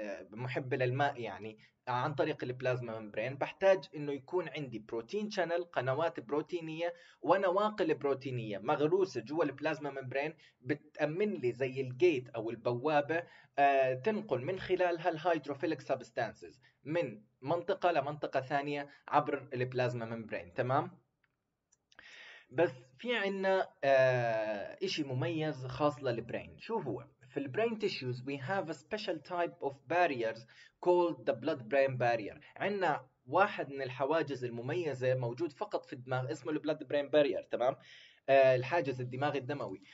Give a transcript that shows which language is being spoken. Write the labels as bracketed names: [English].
[Arabic] محبة للماء يعني عن طريق البلازما ممبرين؟ بحتاج إنه يكون عندي [English] protein channel, [Arabic] قنوات بروتينية ونواقل بروتينية مغروسة جوا البلازما ممبرين بتأمن لي زي الجيت أو البوابة تنقل من خلالها [English] الهيدروفيلك سبستانسز [Arabic] من منطقة لمنطقة ثانية عبر البلازما ممبرين، تمام؟ بس في عنا إشي مميز خاص للبرين. شو هو؟ في [English] البرين tissues we have a special type of barriers called the blood-brain barrier. [Arabic] عنا واحد من الحواجز المميزة موجود فقط في الدماغ اسمه blood-brain barrier، تمام؟ الحاجز الدماغي الدموي.